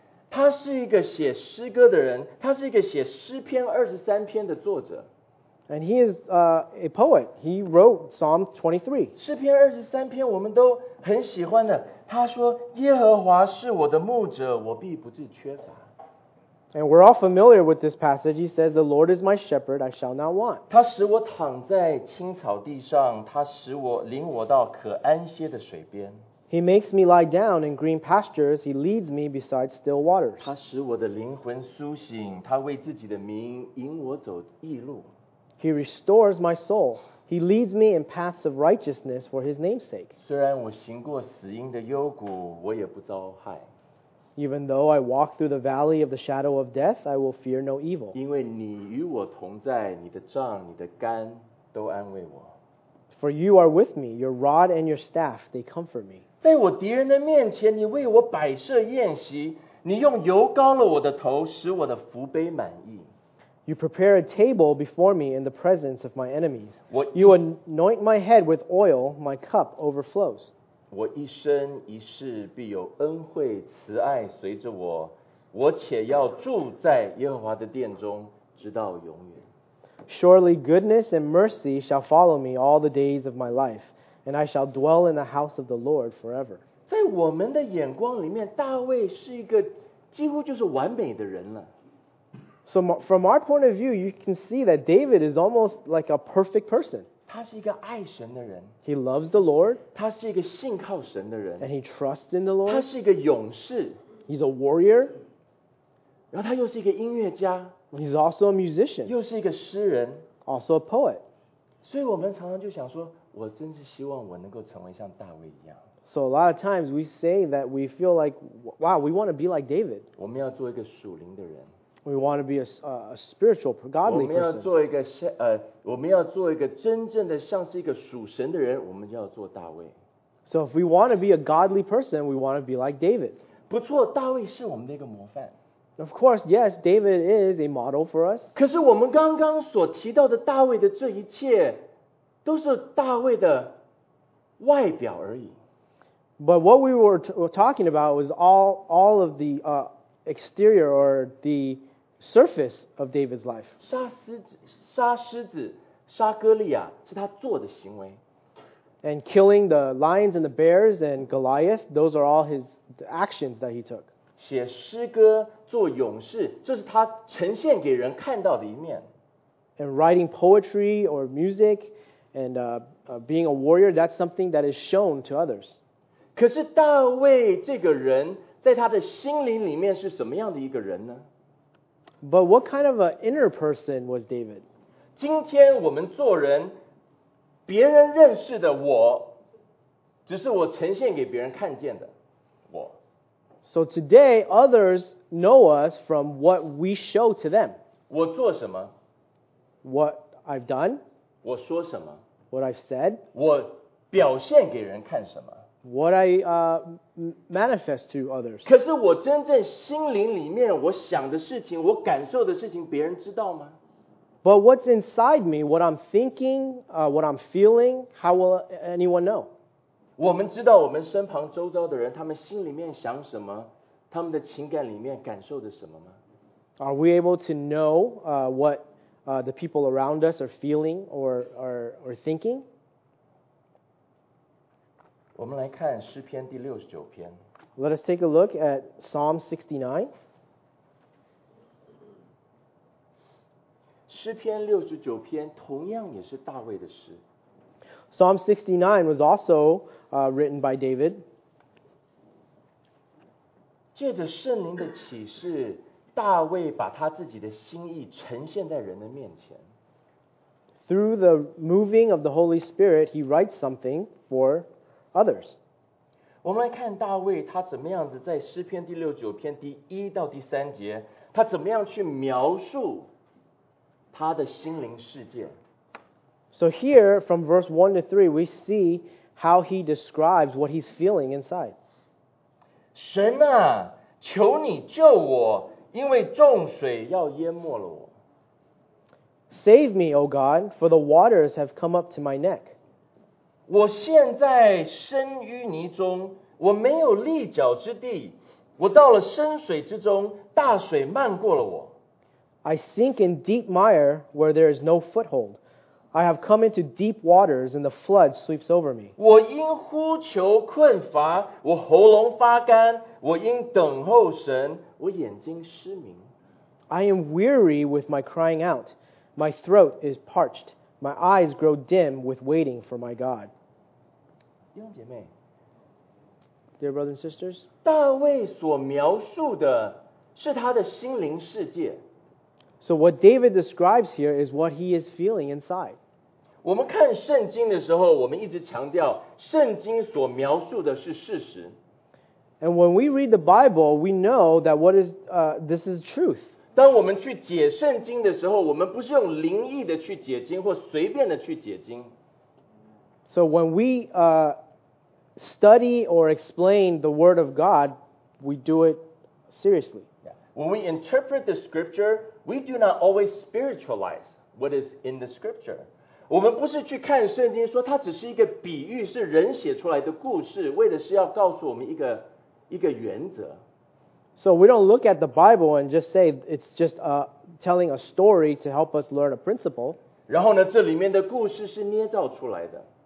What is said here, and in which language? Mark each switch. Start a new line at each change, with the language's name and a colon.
Chinese: 他是一个写诗歌的人，他是一个写诗篇二十三篇的作者。
English: And he is a poet. He wrote Psalm 23.
Chinese: 诗篇二十三篇我们都很喜欢的。他说：“耶和华是我的牧者，我必不致缺乏。”
English: And we're all familiar with this passage. He says, "The Lord is my shepherd; I shall not want."
Chinese: 他使我躺在青草地上，他使我领我到可安歇的水边。
English: He makes me lie down in green pastures. He leads me beside still waters.
Chinese: 他使我的灵魂苏醒，他为自己的名引我走义路。
English: He restores my soul. He leads me in paths of righteousness for his namesake.
Chinese: 虽然我行过死荫的幽谷，我也不遭害。
English: Even though I walk through the valley of the shadow of death, I will fear no evil.
Chinese: 因为你与我同在，你的杖、你的竿都安慰我。
English: For you are with me, your rod and your staff, they comfort me.
Chinese: 在我敌人的面前，你为我摆设宴席，你用油膏了我的头，使我的福杯满溢。
English: You prepare a table before me in the presence of my enemies. You anoint my head with oil, my cup overflows.
Chinese: 我一生一世必有恩惠慈爱随着我，我且要住在耶和华的殿中，直到永远。
English: Surely goodness and mercy shall follow me all the days of my life, and I shall dwell in the house of the Lord forever.
Chinese: 在我们的眼光里面，大卫是一个几乎就是完美的人了。
English: So from our point of view, you can see that David is almost like a perfect person.
Chinese: 他是一个爱神的人。
English: He loves the Lord.
Chinese: 他是一个信靠神的人。
English: And he trusts in the Lord.
Chinese: 他是一个勇士。
English: He's a warrior.
Chinese: 然后他又是一个音乐家。
English: He's also a musician.
Chinese: 又是一个诗人。
English: Also a poet.
Chinese: 所以我们常常就想说，我真是希望我能够成为像大卫一样。
English: So a lot of times we say that we feel like, wow, we want to be like David.
Chinese: 我们要做一个属灵的人。
English: We want to be a spiritual, godly person.
Chinese: 我们要做一个我们要做一个真正的像是一个属神的人，我们就要做大卫。
English: So if we want to be a godly person, we want to be like David.
Chinese: 不错，大卫是我们的一个模范。
English: Of course, yes, David is a model for us.
Chinese: 可是我们刚刚所提到的大卫的这一切都是大卫的外表而已。
English: But what we were talking about was all of the exterior or the surface of David's life.
Chinese: 杀狮子杀哥利亚是他做的行为。
English: And killing the lions and the bears and Goliath, those are all his actions that he took.
Chinese: 写诗歌做勇士，这是他呈现给人看到的一面。
English: And writing poetry or music, and being a warrior, that's something that is shown to others.
Chinese: 可是大卫这个人，在他的心灵里面是什么样的一个人呢？
English: But what kind of an inner person was David?
Chinese: 今天我们做人，别人认识的我，只是我呈现给别人看见的。
English: So today, others know us from what we show to them.
Chinese: 我做什么?
English: What I've done?
Chinese: 我说什么?
English: What I've said?
Chinese: 我表现给人看什么?
English: What I manifest to others.
Chinese: 可是我真正心灵里面我想的事情,我感受的事情,别人知道吗?
English: But what's inside me, what I'm thinking, what I'm feeling, how will anyone know?
Chinese: 我们知道我们身旁周遭的人，他们心里面想什么，他们的情感里面感受着什么吗？
English: Are we able to know what the people around us are feeling or thinking?
Chinese: 我们来看诗篇第六十九篇。
English: Let us take a look at Psalm 69.
Chinese: 诗篇六十九篇同样也是大卫的诗。
English: Psalm 69 was also written by David.
Chinese: 借着圣灵的启示，大卫把他自己的心意呈现在人的面前。
English: Through the moving of the Holy Spirit, he writes something for others.
Chinese: 我们来看大卫他怎么样子在诗篇第六九篇第一到第三节，他怎么样去描述他的心灵世界。
English: So here, from verse 1 to 3, we see how he describes what he's feeling inside.
Chinese: 神啊，求你救我，因为众水要淹没了我。
English: Save me, O God, for the waters have come up to my neck.
Chinese: 我陷在深淤泥中，我没有立脚之地，我到了深水之中，大水漫过了我。
English: I sink in deep mire where there is no foothold. I have come into deep waters, and the flood sweeps over me.
Chinese: 我因呼求困乏，我喉咙发干，我因等候神，我眼睛失明。
English: I am weary with my crying out. My throat is parched. My eyes grow dim with waiting for my God.
Chinese: 弟兄姐妹，
English: Dear brothers and sisters,
Chinese: 大卫所描述的是他的心灵世界。
English: So what David describes here is what he is feeling inside.
Chinese: 我们看圣经的时候，我们一直强调圣经所描述的是事实。
English: And when we read the Bible, we know that what is, this is truth.
Chinese: 当我们去解圣经的时候，我们不是用灵异的去解经或随便的去解经。
English: So when we study or explain the word of God, we do it seriously. When we interpret the scripture,We do not always spiritualize what is in the scripture.
Chinese: 我们不是去看圣经说它只是一个比喻，是人写出来的故事，为的是要告诉我们一个原则。
English: So we don't look at the Bible and just say it's just telling a story to help us learn a principle.
Chinese: 然后呢，这里面的故事是捏造出来的。